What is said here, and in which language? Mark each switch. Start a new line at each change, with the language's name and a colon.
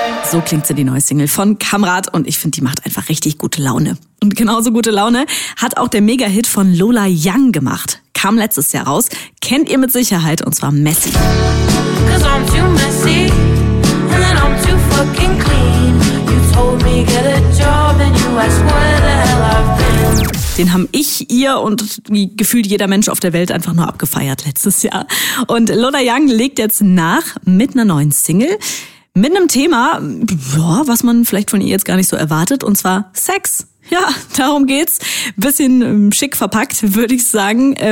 German: So klingt sie, die neue Single von Kamrat, und ich finde, die macht einfach richtig gute Laune. Und genauso gute Laune hat auch der Mega-Hit von Lola Young gemacht. Kam letztes Jahr raus, kennt ihr mit Sicherheit, und zwar Messy.
English: Cause I'm too messy and I'm too fucking clean. You told me get a job and you asked where the hell I've been.
German: Den haben ich, ihr und gefühlt jeder Mensch auf der Welt einfach nur abgefeiert letztes Jahr. Und Lola Young legt jetzt nach mit einer neuen Single. Mit einem Thema, was man vielleicht von ihr jetzt gar nicht so erwartet, und zwar Sex. Ja, darum geht's. Bisschen schick verpackt, würde ich sagen.